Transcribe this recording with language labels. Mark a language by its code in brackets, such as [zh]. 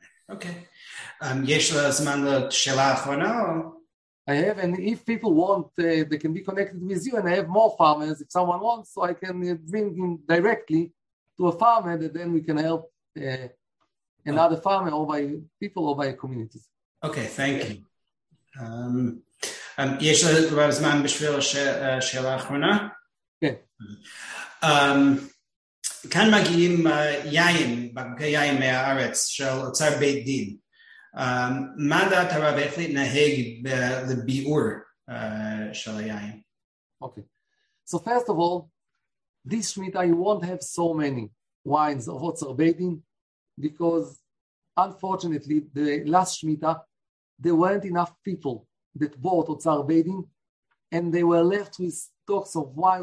[en] Okay. [he] Yesh lazman l'shela achrona? [en] I have, and if people want, they can be connected with you, and I have more farmers if someone wants, so I can bring him directly to a farmer, and then we can help another farmer or by people or by communities. Okay, thank you. [he] יש לך זמן בשביל השאלה האחרונה? כן. כאן מגיעים יין, בקבוקי יין מהארץ של אוצר בית דין. מה דעת הרב, איך להתנהג לביאור של היין? [en] Okay. So first of all, this Shemitah, you won't have so many wines of Otzer Beit Din, because unfortunately, the last Shemitah, there weren't enough people that bought Otzer Beit Din, and they were left with stocks of wine.